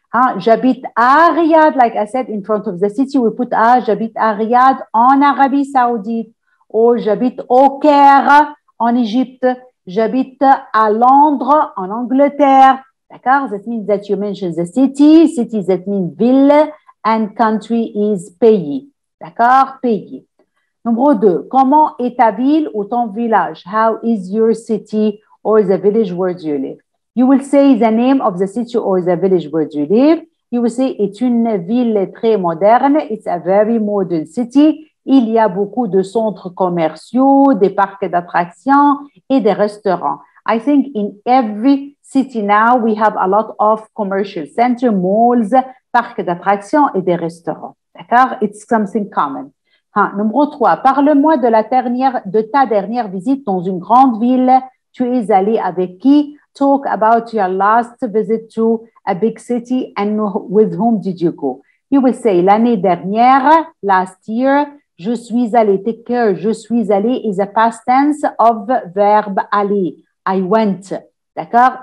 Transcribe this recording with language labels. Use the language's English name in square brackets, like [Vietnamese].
[French] J'habite à Riyad, [English] like I said, in front of the city, we put [French] à, j'habite à Riyad en Arabie Saoudite. Or, j'habite au Caire, en Égypte. J'habite à Londres, en Angleterre. D'accord? [English] That means that you mention the city. City, that means ville, and country is pays. [French] D'accord? Pays. Numéro 2, comment est ta ville ou ton village? [English] How is your city or the village where you live? You will say the name of the city or the village where you live. You will say it's [French] une ville très moderne. [English] It's a very modern city. [French] Il y a beaucoup de centres commerciaux, des parcs d'attractions et des restaurants. [English] I think in every city now, we have a lot of commercial centers, malls, [French] parcs d'attractions et des restaurants. [English] D'accord? It's something common. [French] Numéro 3, parle-moi de ta dernière visite dans une grande ville. Tu es allé avec qui? [English] Talk about your last visit to a big city and with whom did you go? You will say, [French] l'année dernière, [English] last year, [French] Je suis allé. [English] Take care. Je suis allé is a past tense of verb aller. I went. D'accord?